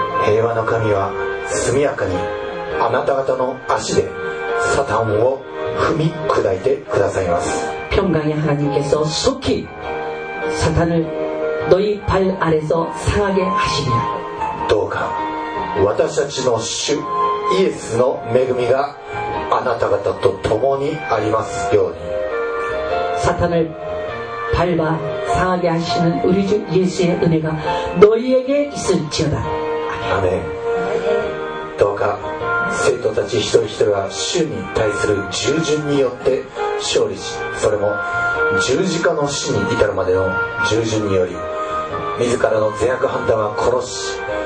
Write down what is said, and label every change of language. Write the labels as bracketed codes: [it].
[ja] 平和の神は速やかにあなた方の足でサタンを踏み砕いてくださいます。 [ko] 평강의하나님께서속히사탄을너희발아래서상하게하시리라 [ja] どうか私たちの主イエスの恵みがあなた方と共にありますように。 [ko] 사탄을밟아상하게하시는우리주예수의은혜가너희에게있을지어다 [ja] 아멘どうか生徒たち一人一人が主に対する従順によって勝利し、それも十字架の死に至るまでの従順により、自らの善悪判断は殺し、